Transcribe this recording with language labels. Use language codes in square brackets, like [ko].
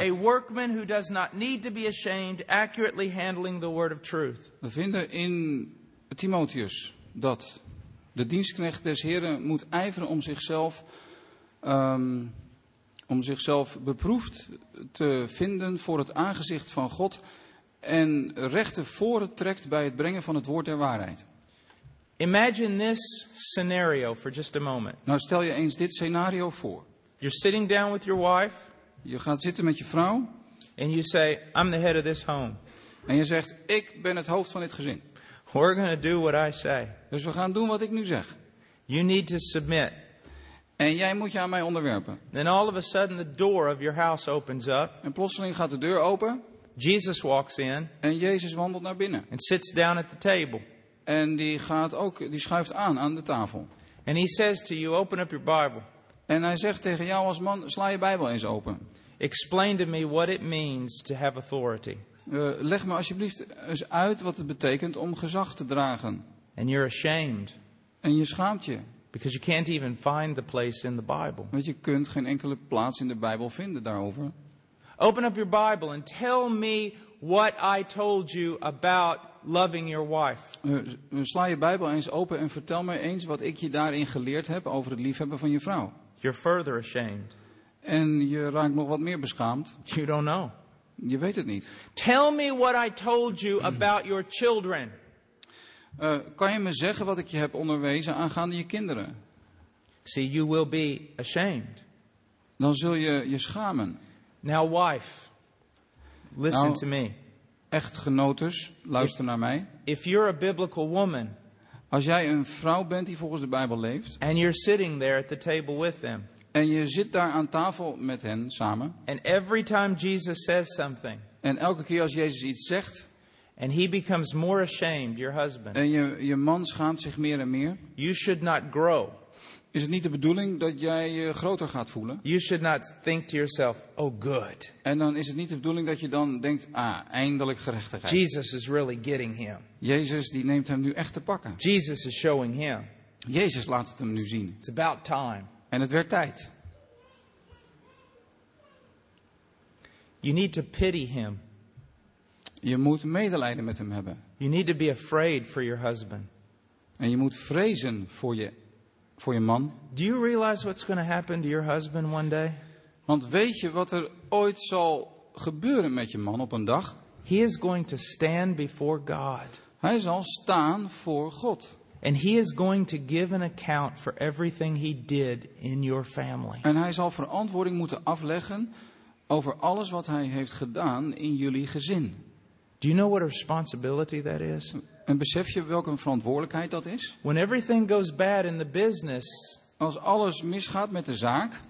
[en] A workman who does not need to be ashamed, accurately handling the word of truth. [nl] We vinden in Timotheus dat de dienstknecht des Heren moet ijveren om zichzelf beproefd te vinden voor het aangezicht van God en rechten voren trekt bij het brengen van het woord der waarheid. [en] Imagine this scenario for just a moment. [nl] Nou, stel je eens dit scenario voor. [en] You're sitting down with your wife. [nl] Je gaat zitten met je vrouw. [en] And you say, I'm the head of this home. [nl] En je zegt, ik ben het hoofd van dit gezin. [en] We're going to do what I say. [nl] Dus we gaan doen wat ik nu zeg. [en] You need to submit. [nl] En jij moet je aan mij onderwerpen. [en] Then all of a sudden the door of your house opens up. [nl] En plotseling gaat de deur open. [en] Jesus walks in. [nl] En Jezus wandelt naar binnen. [en] And sits down at the table. [nl] En die gaat ook, die schuift aan de tafel. [en] And he says to you, open up your Bible. [nl] En hij zegt tegen jou als man, sla je Bijbel eens open. [en] Explain to me what it means to have authority. [nl] Leg me alsjeblieft eens uit wat het betekent om gezag te dragen. [en] And you're ashamed. [nl] En je schaamt je. [en] Because you can't even find the place in the Bible. [nl] Want je kunt geen enkele plaats in de Bijbel vinden daarover. [en] Open up your Bible and tell me what I told you about loving your wife. [nl] Sla je Bijbel eens open en vertel me eens wat ik je daarin geleerd heb over het liefhebben van je vrouw. [en] You're further ashamed. [nl] En je raakt nog wat meer beschaamd. [en] You don't know. [nl] Je weet het niet. [en] Tell me what I told you about your children. [nl] Kan je me zeggen wat ik je heb onderwezen aangaande je kinderen? [en] See, you will be ashamed. [nl] Dan zul je je schamen. [en] Now, wife, listen to me. [nl] Echtgenotes, luister naar mij. [en] If you're a biblical woman, [nl] als jij een vrouw bent die volgens de Bijbel leeft, [en] and you're sitting there at the table with them, [nl] en je zit daar aan tafel met hen samen, [en] and every time Jesus says something, [nl] en elke keer als Jezus iets zegt, [en] and he becomes more ashamed, your husband, [nl] en je man schaamt zich meer en meer, [en] you should not grow. [nl] Is het niet de bedoeling dat jij je groter gaat voelen? [en] You should not think to yourself, oh good. [nl] En dan is het niet de bedoeling dat je dan denkt, ah, eindelijk gerechtigheid. [en] Jesus is really getting him. [nl] Jezus die neemt hem nu echt te pakken. [en] Jesus is showing him. [nl] Jezus laat het hem nu zien. [en] It's about time. [nl] En het werd tijd. [en] You need to pity him. [nl] Je moet medelijden met hem hebben. [en] You need to be afraid for your husband. [nl] En je moet vrezen voor je. Voor je man. [en] Do you realize what's going to happen to your husband one day? [nl] Want weet je wat er ooit zal gebeuren met je man op een dag? [en] He is going to stand before God. [nl] Hij zal staan voor God. [en] And he is going to give an account for everything he did in your family. [nl] En hij zal verantwoording moeten afleggen over alles wat hij heeft gedaan in jullie gezin. [en] Do you know what a responsibility that is? [nl] En besef je welke verantwoordelijkheid dat is? [en] When everything goes bad in the business, [nl] als alles misgaat met de zaak,